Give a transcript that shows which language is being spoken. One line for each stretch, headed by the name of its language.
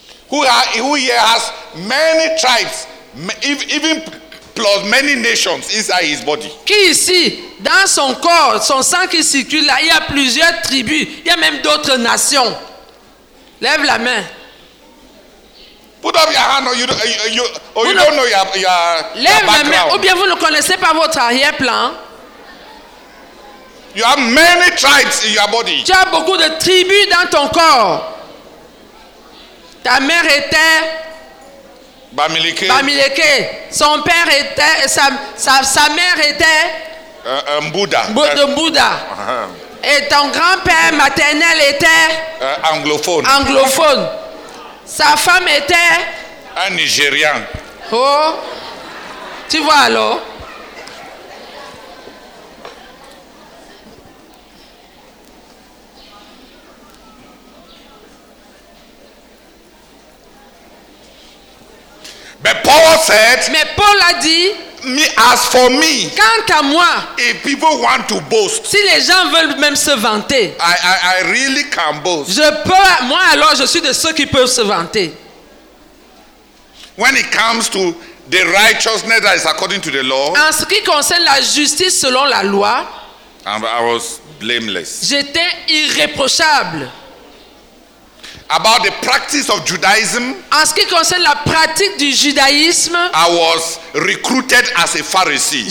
English: Who here has many tribes, even plus many nations inside his body?
French: Qui ici, dans son corps, son sang qui circule là, il y a plusieurs tribus, il y a même d'autres nations. Lève la main.
English: Put up your hand, or you don't know your
French: lève la main, ou bien vous ne connaissez pas votre arrière-plan.
English: You have many tribes in your body.
French: Tu as beaucoup de tribus dans ton corps. Ta mère était Bamileke. Bamileke. Son père était sa mère était un Bouddha. Bouddha. Uh-huh. Et ton grand-père maternel était anglophone. Anglophone. Sa femme était un Nigérian. Oh. Tu vois alors?
English: But Paul said,
French: mais Paul a dit,
English: me, as for me,
French: quant à moi,
English: if people want to boast,
French: si les gens veulent même se vanter,
English: I really can boast.
French: Je peux, moi alors je suis de ceux qui peuvent se vanter.
English: When it comes to the righteousness that is according to the law,
French: en ce qui concerne la justice selon la loi,
English: I was blameless.
French: J'étais irréprochable.
English: About the practice of Judaism,
French: en ce qui concerne la pratique du judaïsme,
English: I was recruited as a Pharisee.